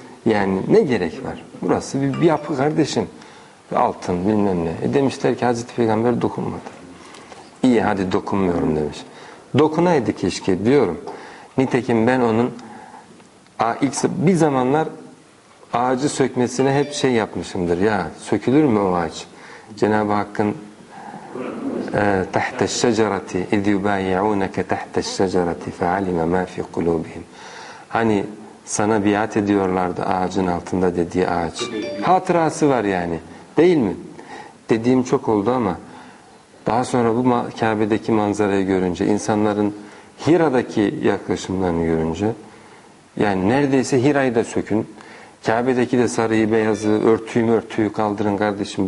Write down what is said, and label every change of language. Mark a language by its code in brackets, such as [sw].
[tr] Yani ne gerek var? Burası bir yapı kardeşim. Bir altın bilmem ne. Demişler ki Hazreti Peygamber dokunmadı. İyi hadi dokunmuyorum demiş. Dokunaydı keşke diyorum. Nitekim ben onun ilk bir zamanlar ağacı sökmesine hep şey yapmışımdır. Ya sökülür mü o ağaç? Cenab-ı Hakk'ın [ar] تَحْتَ الشَّجَرَةِ اِذْ يُبَايِعُونَكَ تَحْتَ الشَّجَرَةِ فَعَلِمَ مَا فِي قُلُوبِهِمْ. [tr] Hani sana biat ediyorlardı ağacın altında dediği ağaç. Hatırası var yani. Değil mi? Dediğim çok oldu ama daha sonra bu Kabe'deki manzarayı görünce, insanların Hira'daki yaklaşımlarını görünce, yani neredeyse Hira'yı da sökün, Kabe'deki de sarıyı, beyazı, örtüyü kaldırın kardeşim.